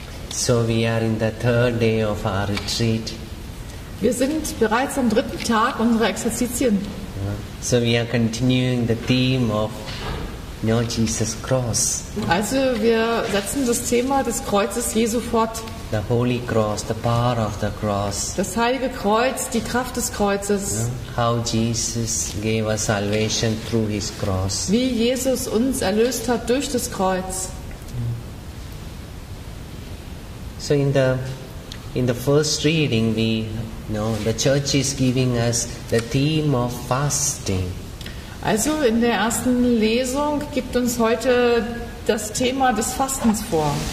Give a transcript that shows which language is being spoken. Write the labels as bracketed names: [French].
[English] So, we are in the third day of our retreat. [German] Wir sind bereits am dritten Tag unserer Exerzitien. [English] So we are continuing the theme of Jesus' cross. [German] Also wir setzen das Thema des Kreuzes Jesu fort. [English] The Holy Cross, the power of the cross. [German] Das Heilige Kreuz, die Kraft des Kreuzes. [English] How Jesus gave us salvation through his cross. [German] Wie Jesus uns erlöst hat durch das Kreuz. [English] So in the first reading we know the church is giving us the theme of fasting. [German] Also in der ersten Lesung gibt uns heute das Thema des Fastens vor.